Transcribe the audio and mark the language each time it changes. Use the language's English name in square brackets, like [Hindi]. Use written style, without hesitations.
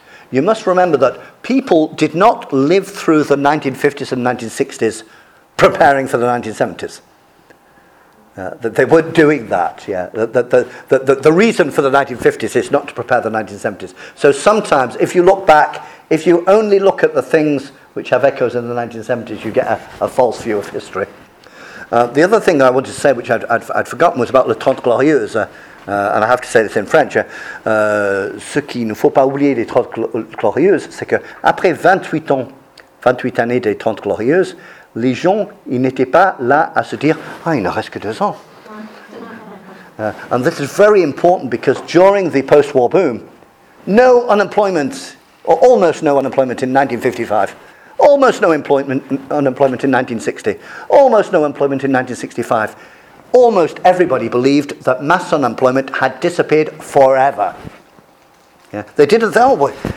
[English] You must remember that people did not live through the 1950s and 1960s preparing for the 1970s. That they weren't doing that, yeah. The reason for the 1950s is not to prepare the 1970s. So sometimes, if you look back, if you only look at the things which have echoes in the 1970s, you get a false view of history. [French] The other thing I wanted to say, which I'd forgotten, was about Le Trente Glorieuse, and I have to say this in French, ce qui ne faut pas oublier les Trente Glorieuses, c'est que après 28 années des Trente Glorieuses, les gens, ils n'étaient pas là à se dire, ah, il ne reste que deux ans. [English] And this is very important, because during the post-war boom, no unemployment, or almost no unemployment in 1955, almost no unemployment in 1960, almost no employment in 1965, almost everybody believed that mass unemployment had disappeared forever. Yeah. They did it that way.